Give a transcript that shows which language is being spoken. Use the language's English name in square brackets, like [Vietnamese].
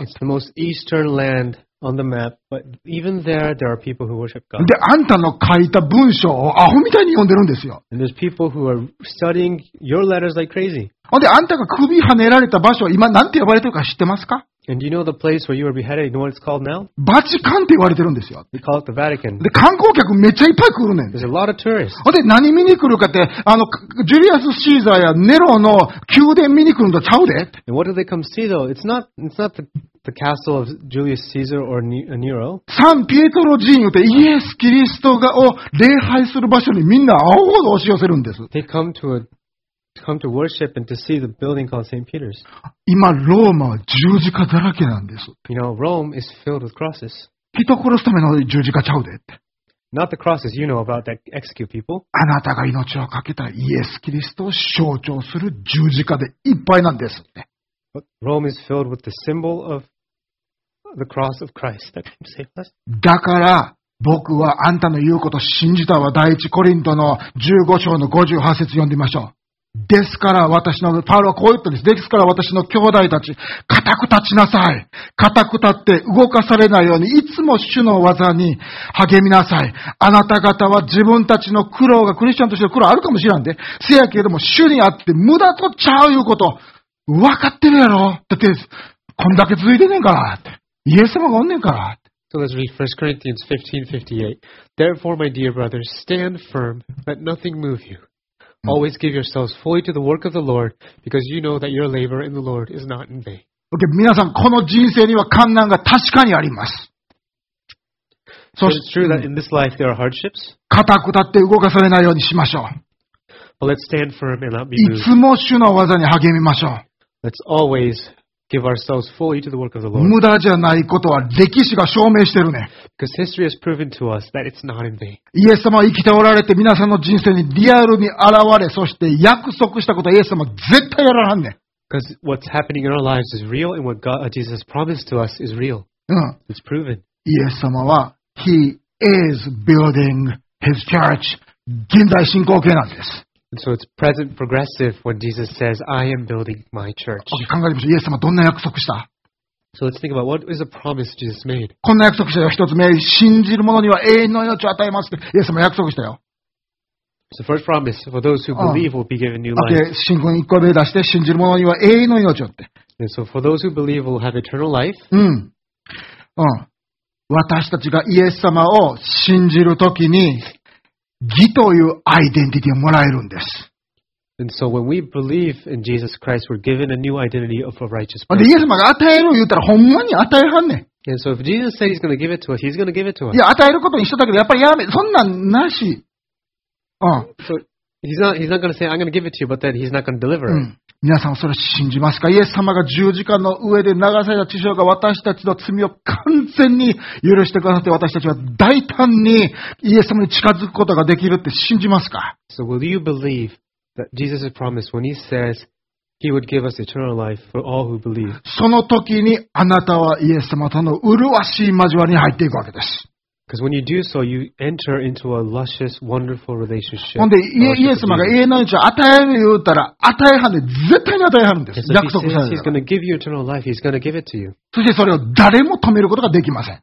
[English] It's the most eastern land. On the map, but even there, there are people who worship God. [Japanese] で、あんたの書いた文章をアホみたいに読んでるんですよ。 [English] And there's people who are studying your letters like crazy. [Japanese] で、あんたが首はねられた場所、今なんて呼ばれてるか知ってますか？ [English] And do you know the place where you were beheaded? You know what it's called now? [Japanese] バチカンって言われてるんですよ。 [English] They call it the Vatican. [Japanese] で、観光客めっちゃいっぱい来るねん。 [English] There's a lot of tourists. [Japanese] で、何見に来るかって、ジュリアス・シーザーやネロの宮殿見に来るんだちゃうで。 [English] And what do they come see though? It's not the... The castle of Julius Caesar or Nero. [Japanese] サンピエトロ寺院ってイエス・キリストがを礼拝する場所にみんな青ほど押し寄せるんです。 [English] They come to worship and to see the building called St. Peter's. [Japanese] 今ローマは十字架だらけなんです。 [English] You know, Rome is filled with crosses. [Japanese] 人殺すための十字架ちゃうでって。 [English] Not the crosses you know about that execute people. [Japanese] あなたが命を懸けたイエス・キリストを象徴する十字架でいっぱいなんですって。 [English] But Rome is filled with the symbol of the cross of Christ that came to save us. [Japanese] だから僕はあんたの言うことを信じたわ。第一コリントの15章の58節読んでみましょう。ですから私の、パウロはこう言ったんです。ですから私の兄弟たち、固く立ちなさい。固く立って動かされないように、いつも主の技に励みなさい。あなた方は自分たちの苦労が、クリスチャンとしての苦労あるかもしれないんで、せやけれども主にあって無駄とちゃういうこと、分かってるやろだってです、こんだけ続いてねえから、って。イエス様がおんねえから。 [English] So let's read 1 Corinthians 15:58. Therefore, my dear brothers, stand firm, let nothing move you. Always give yourselves fully to the work of the Lord, because you know that your labor in the Lord is not in vain. [Japanese] Okay, 皆さん、この人生には困難が確かにあります。 [English] So it's true that in this life there are hardships. [Japanese] 固く立って動かされないようにしましょう。 [English] But let's stand firm and not be moved. [Japanese] いつも主の技に励みましょう。 [English] Let's always give ourselves fully to the work of the Lord. [Japanese] 無駄じゃないことは歴史が証明してるね。 [English] Because history has proven to us that it's not in vain. [Japanese] イエス様は生きておられて、皆さんの人生にリアルに現れ、そして約束したことはイエス様絶対やらはんねん。 [English] Because what's happening in our lives is real and what God, Jesus promised to us is real. It's proven. [Japanese] イエス様は、 [English] He is building His church. [Japanese] 現在進行形なんです。 [English] And so it's present progressive when Jesus says, I am building my church. [Japanese] Okay, 考えましょう。イエス様どんな約束した? [English] So let's think about what is a promise Jesus made. [Japanese] こんな約束したよ。一つ目、信じる者には永遠の命を与えますって。イエス様約束したよ。 [English] So first promise, for those who believe will be given new life. [Japanese] Okay, 信仰に1個目出して、信じる者には永遠の命をって。 [English] And so for those who believe will have eternal life. [Japanese] うん。うん。私たちがイエス様を信じるときに、義というアイデンティティをもらえるんです。 [English] And so when we believe in Jesus Christ, we're given a new identity of a righteous person. [Japanese] イエス様が与えるを言ったら、ほんまに与えはんねん。 [English] And so if Jesus said he's going to give it to us, he's going to give it to us. [Japanese] いや、与えることにしただけで、やっぱりやめ、そんなんなし。うん。 [English] So he's not going to say, I'm going to give it to you, but then he's not going to deliver it. [Japanese] 皆さんはそれを信じますか?イエス様が十字架の上で流された血潮が私たちの罪を完全に許してくださって私たちは大胆にイエス様に近づくことができるって信じますか? [English] So will you believe that Jesus has promised when he says he would give us eternal life for all who believe? [Japanese] その時にあなたはイエス様との麗しい交わりに入っていくわけです。 [English] Because when you do so, you enter into a luscious, wonderful relationship. [Japanese] ほんで、イエス様が永遠の命を与える言うたら、与えはんで、絶対に与えはるんです。約束されて。 [English] He's gonna give you eternal life, he's gonna give it to you. [Japanese] そしてそれを誰も止めることができません。